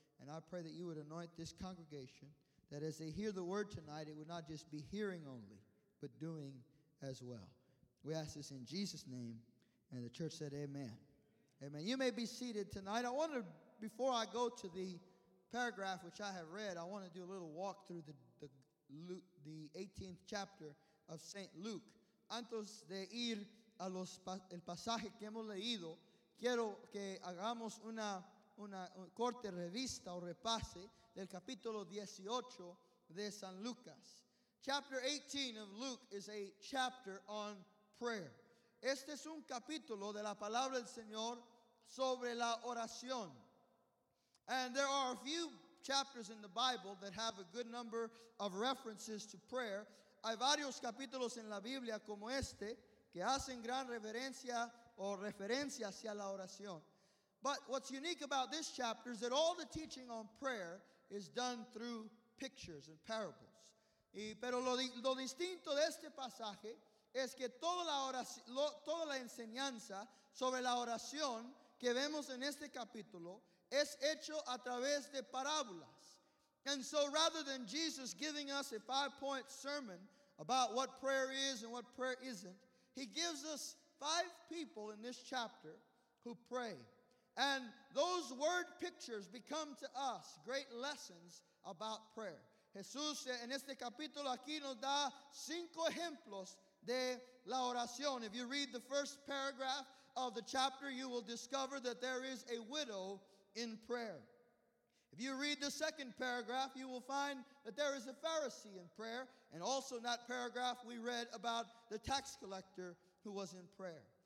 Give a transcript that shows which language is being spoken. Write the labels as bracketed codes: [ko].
[en] And I pray that you would anoint this congregation, that as they hear the word tonight, it would not just be hearing only, but doing as well. We ask this in Jesus' name. And the church said, amen. Amen. You may be seated tonight. I want to, before I go to the paragraph which I have read, I want to do a little walk through the 18th chapter of St. Luke. [es] Antes de ir a los el pasaje que hemos leído, quiero que hagamos una corte revista o repase del capítulo 18 de San Lucas. [en] Chapter 18 of Luke is a chapter on prayer. [es] Este es un capítulo de la palabra del Señor sobre la oración. [en] And there are a few chapters in the Bible that have a good number of references to prayer. [es] Hay varios capítulos en la Biblia como este que hacen gran reverencia o referencia hacia la oración. [en] But what's unique about this chapter is that all the teaching on prayer is done through pictures and parables. [es] Y, pero lo distinto de este pasaje es que toda la enseñanza sobre la oración que vemos en este capítulo es hecho a través de parábolas. [en] And so rather than Jesus giving us a 5-point sermon about what prayer is and what prayer isn't, he gives us 5 people in this chapter who pray. And those word pictures become to us great lessons about prayer. [es] Jesús en este capítulo aquí nos da 5 ejemplos de la oración. [en] If you read the first paragraph of the chapter, you will discover that there is a widow in prayer. If you read the second paragraph, you will find that there is a Pharisee in prayer. And also in that paragraph, we read about the tax collector who was in prayer.